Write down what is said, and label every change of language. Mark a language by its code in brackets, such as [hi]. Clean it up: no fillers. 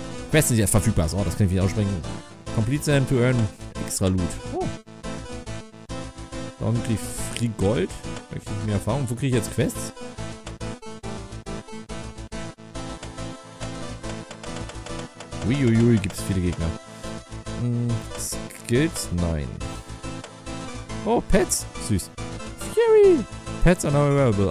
[de] Quests sind jetzt verfügbar. So, das kann ich wieder aussprechen. [en] Complete them to earn extra loot. Oh. Don't leave free gold. [de] Da krieg ich mehr Erfahrung. Wo kriege ich jetzt Quests? Uiuiui, gibt es viele Gegner. Skills? Nein. Oh, Pets. Süß. Fury. [en] Pets are now available.